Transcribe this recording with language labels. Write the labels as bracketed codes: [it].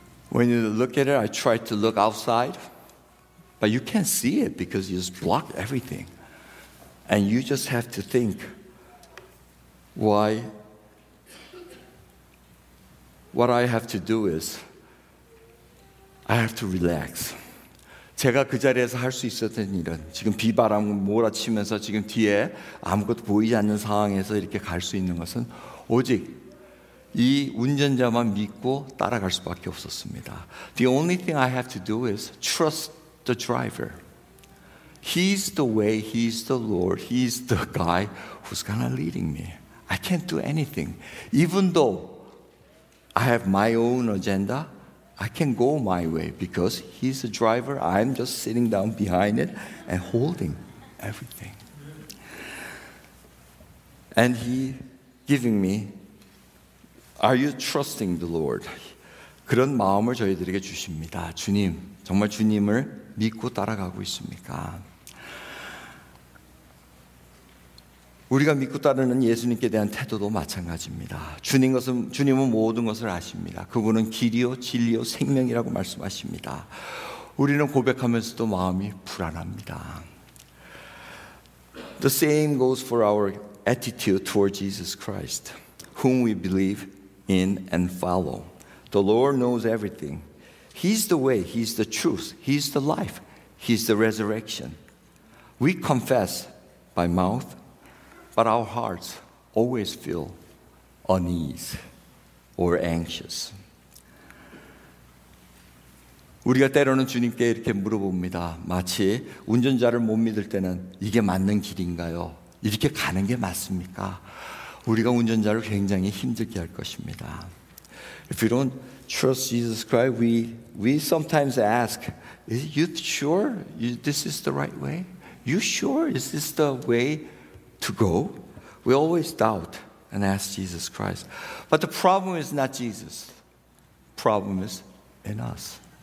[en] When you look at it, I try to look outside, but you can't see it because you just block everything. And you just have to think, why? What I have to do is, I have to relax. [ko] 제가 그 자리에서 할 수 있었던 일은 지금 비바람 몰아치면서 지금 뒤에 아무것도 보이지 않는 상황에서 이렇게 갈 수 있는 것은 오직 이 운전자만 믿고 따라갈 수밖에 없었습니다. [en] The only thing I have to do is trust the driver. He's the way, he's the Lord, he's the guy who's gonna leading me. I can't do anything. Even though I have my own agenda, I can go my way because he's the driver. I'm just sitting down behind it and holding everything. And he giving me, are you trusting the Lord? [ko] 그런 마음을 저희들에게 주십니다. 주님, 정말 주님을 믿고 따라가고 있습니까? 우리가 믿고 따르는 예수님께 대한 태도도 마찬가지입니다. 주님은 모든 것을 아십니다. 그분은 길이요 진리요 생명이라고 말씀하십니다. 우리는 고백하면서도 마음이 불안합니다. [en] The same goes for our attitude toward Jesus Christ, whom we believe in and follow. The Lord knows everything. He's the way, he's the truth, he's the life, he's the resurrection. We confess by mouth, but our hearts always feel unease or anxious. [ko] 우리가 때로는 주님께 이렇게 물어봅니다. 마치 운전자를 못 믿을 때는 이게 맞는 길인가요? 이렇게 가는 게 맞습니까? 우리가 운전자를 굉장히 힘들게 할 것입니다. [en] If you don't trust Jesus Christ, we sometimes ask, "Is you sure this is the right way? You sure is this the way to go?" We always doubt and ask Jesus Christ. But the problem is not Jesus. Problem is in us.